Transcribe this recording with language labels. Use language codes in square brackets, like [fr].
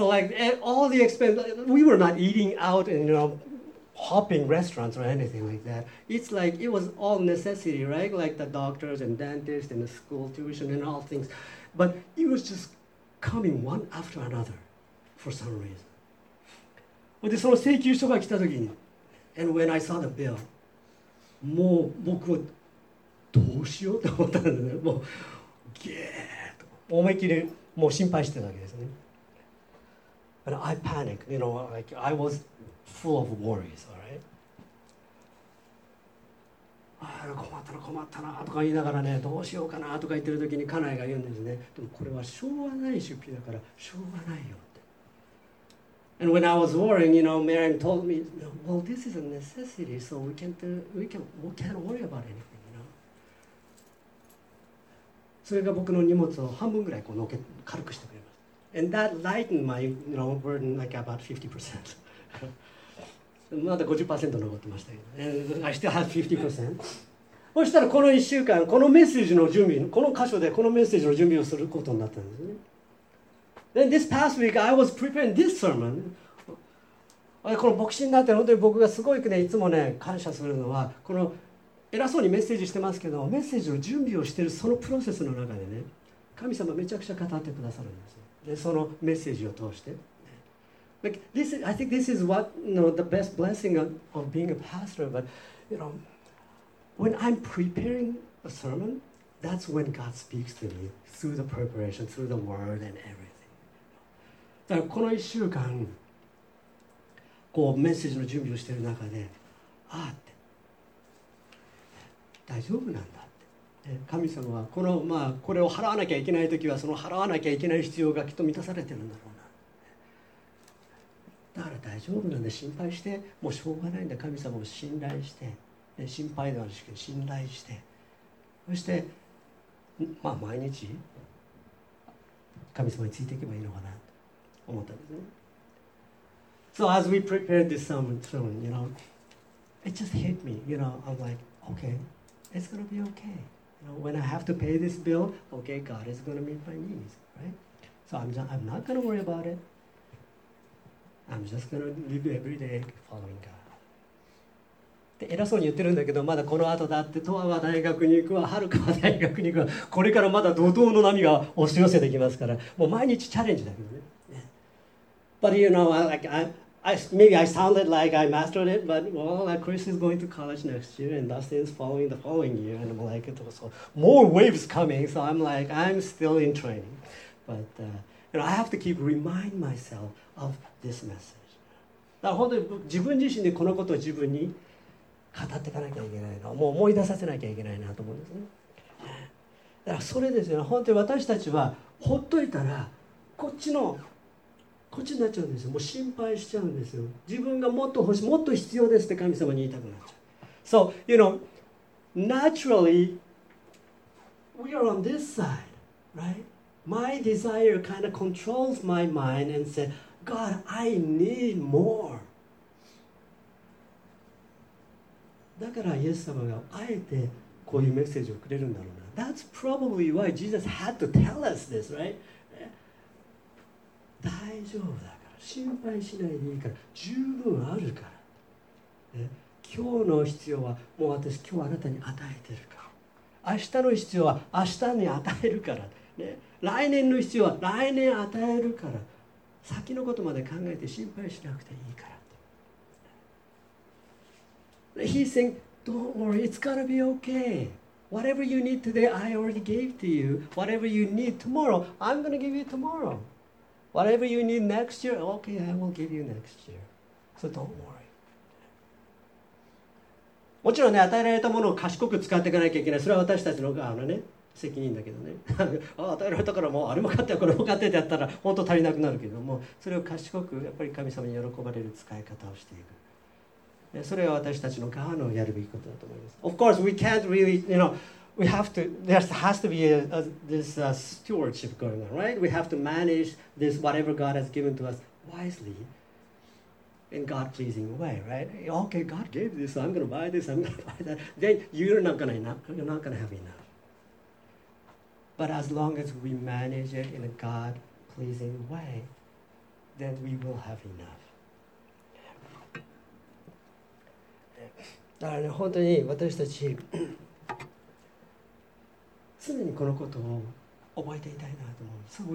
[en] So like all the expense, we were not eating out and you know. Hopping restaurants or anything like that. It's like it was all necessity, right? Like the doctors and dentists and the school tuition and all things. But it was just coming one after another for some reason. [ja] で、その請求書が来た時に、 [en] And when I saw the bill, [ja] もう僕はどうしようと思ったんですね。もう、ゲーッと。思いっきりもう心配してたわけですね。 [en] But I panicked, you know, like I was...full of worries, all right? [ja] ああ困ったな困ったなとか言いながらね、どうしようかなとか言ってる時に家内が言うんですね、でもこれはしょうがない出費だからしょうがないよって。 [en] And when I was worrying, you know, Mary told me, well, this is a necessity, so we can't worry about anything, you know. [ja] それが僕の荷物を半分ぐらいこうのけ軽くしてくれます。 [en] And that lightened my, you know, burden like about 50%. [ja] まだ 50% 残ってましたけど、ね、 [en] I still have 50%. [ja] そしたらこの1週間、このメッセージの準備、この箇所でこのメッセージの準備をすることになったんですね。 [en] Then this past week, I was preparing this sermon. [ja] この牧師になって、本当に僕がすごくね、いつもね、感謝するのは、この偉そうにメッセージしてますけど、メッセージの準備をしているそのプロセスの中でね、神様めちゃくちゃ語ってくださるんですよ。で、そのメッセージを通して。 [en] Like this, I think this is what, you know, the best blessing of being a pastor. But you know, when I'm preparing a sermon, that's when God speaks to me through the preparation, through the word and everything. [ja] だからこの1週間、こうメッセージの準備をしている中で、ああって、大丈夫なんだって。神様はこの、まあ、これを払わなきゃいけない時は、その払わなきゃいけない必要がきっと満たされてるんだろうな。だから大丈夫なんで心配してもうしょうがないんだ、神様を信頼して、ね、心配ではなくて信頼して、そしてまあ毎日神様についていけばいいのかなと思ったんですね。 [en] So as we prepared this sermon, you know, it just hit me, you know, I'm like, okay, it's gonna be okay, you know, when I have to pay this bill, okay, God is gonna meet my needs, right? So I'm not gonna worry about itI'm just gonna live every day following God. [ja] で、偉そうに言ってるんだけど、まだこの後だって、とわは大学に行くわ、はるかは大学に行くわ、これからまだ怒涛の波が押し寄せてきますから、もう毎日チャレンジだけどね。 [en] But you know, I sounded like I mastered it, but well, Chris is going to college next year, and Dustin's following the following year, and I'm like, so more waves coming, so I'm like, I'm still in training. But, you know, I have to keep remind myself of this message. [ja] だから本当に自分自身でこのことを自分に語っていかなきゃいけないの、もう思い出させなきゃいけないなと思うんですね。だからそれですよね。本当に私たちはほっといたらこっちになっちゃうんですよ。もう心配しちゃうんですよ。自分がもっと欲しい、もっと必要ですって神様に言いたくなっちゃう。 [en] So, you know, naturally, we are on this side, right? My desire kind of controls my mind and said, God, I need more. [ja] だからイエス様があえてこういうメッセージをくれるんだろうな。 [en] That's probably why Jesus had to tell us this, right? [ja] 大丈夫だから、心配しないでいいから、十分あるから。今日の必要はもう私今日あなたに与えてるから。明日の必要は明日に与えるから。来年の必要は来年与えるから、先のことまで考えて心配しなくていいから。 [en] He's saying, don't worry, it's gonna be okay. Whatever you need today, I already gave to you. Whatever you need tomorrow, I'm gonna give you tomorrow. Whatever you need next year, okay, I will give you next year. So don't worry. [ja] もちろんね、与えられたものを賢く使っていかなきゃいけない、それは私たちの側のね責任だけどね。ああ与えられたからもうあれも買ってこれも買ってってやったら本当足りなくなるけども、それを賢くやっぱり神様に喜ばれる使い方をしていく。それは私たちの側のやるべきことだと思います。 [en] Of course, we can't really, you know, we have to, there has to be stewardship going on, right? We have to manage this whatever God has given to us wisely in God-pleasing way, right? Okay, God gave this, so I'm going to buy this, I'm going to buy that. Then you're not going to have enough. But as long as we manage it in a God-pleasing way, then we will have enough. [ja] だからね、本当に私たち常にこのことを覚えていたいなと思う。